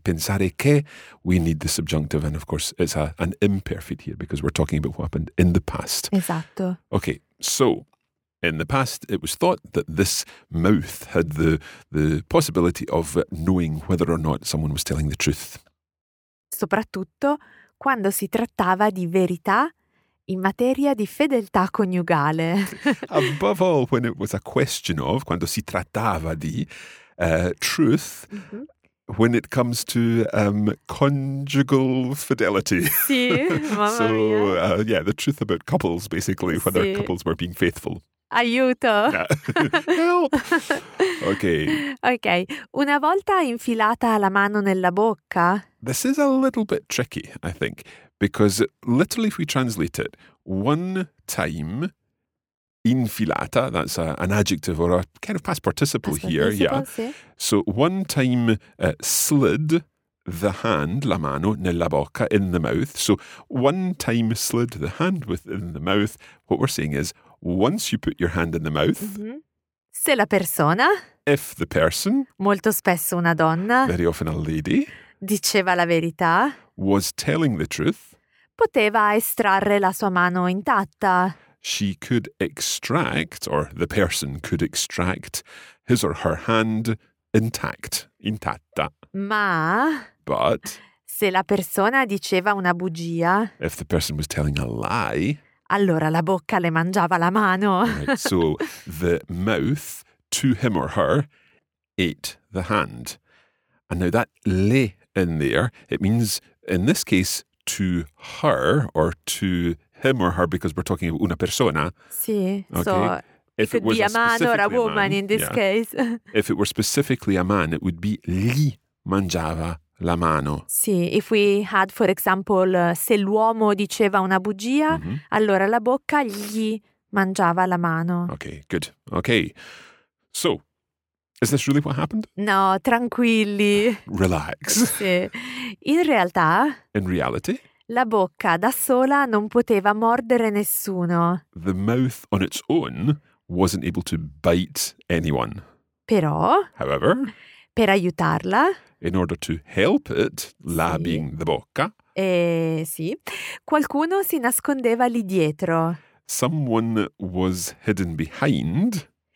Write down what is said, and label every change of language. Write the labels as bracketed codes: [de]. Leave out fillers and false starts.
[it] Pensare che [en] we need the subjunctive, and of course it's an imperfect here because we're talking about what happened in the past. [it] Esatto. [en] Okay, so in the past it was thought that this mouth had the possibility of knowing whether or not someone was telling the truth. [it] Soprattutto quando si trattava di verità. In materia di fedeltà coniugale. [en] Above all, when it was a question of, [it] quando si trattava di, [en] truth, mm-hmm. when it comes to conjugal fidelity. [it] Sì, mamma [en] so, [it] mia. [en] Yeah, the truth about couples, basically, whether sì. couples were being faithful. [it] Aiuto! [en] Help! Okay. [it] Una volta infilata la mano nella bocca. [en] This is a little bit tricky, I think. Because literally, if we translate it, one time, infilata, that's an adjective or a kind of past participle here, yeah. So one time slid the hand, la mano, nella bocca, in the mouth. So one time slid the hand within the mouth. What we're saying is, once you put your hand in the mouth. [it] Mm-hmm. Se la persona. [en] If the person. [it] Molto spesso una donna. [en] Very often a lady. [it] Diceva la verità. [en] Was telling the truth. [it] Poteva estrarre la sua mano intatta. [en] She could extract, or the person could extract, his or her hand intact, intatta. [it] Ma... [en] But... [it] Se la persona diceva una bugia... [en] If the person was telling a lie... [it] Allora la bocca le mangiava la mano. [en] Right, so the mouth, to him or her, ate the hand. And now that le in there, it means, in this case... To her or to him or her, because we're talking about una persona. [it] Sì, [en] okay. So if it could be a man or a woman in this yeah. case. If it were specifically a man, it would be [it] gli mangiava la mano. [en] Sì, if we had, for example, [it] se l'uomo diceva una bugia, [en] mm-hmm. [it] allora la bocca gli mangiava la mano. [en] Okay, good. Okay, so... Is this really what happened? [it] No, tranquilli. [en] Relax. [it] Sì. In realtà... [en] In reality? [it] La bocca da sola non poteva mordere nessuno. [en] The mouth on its own wasn't able to bite anyone. [it] Però... [en] However... [it] Per aiutarla... [en] In order to help it, la sì. being the bocca... [it] Sì, qualcuno si nascondeva lì dietro. [en] Someone was hidden behind.